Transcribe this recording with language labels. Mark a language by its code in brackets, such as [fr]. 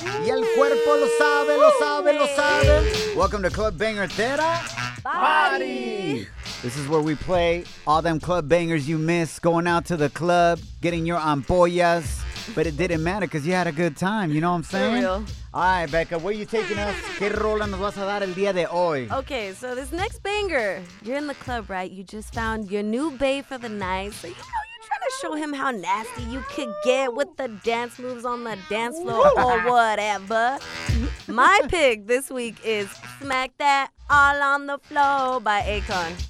[es] Y el cuerpo lo sabe, lo sabe, lo sabe. [en] Welcome to Club Banger Thera. Party. This is where we play all them club bangers you miss, going out to the club, getting your ampollas. But it didn't matter because you had a good time. You know what I'm saying? For real. All right, Becca, where are you taking us? [es] ¿Qué rola nos vas a dar el día de hoy? [en] Okay, so this next banger, you're in the club, right? You just found your new bae for the night. So, you know, you're trying to show him how nasty you could get with the dance moves on the dance floor or whatever. My pick this week is Smack That All on the Floor by Akon.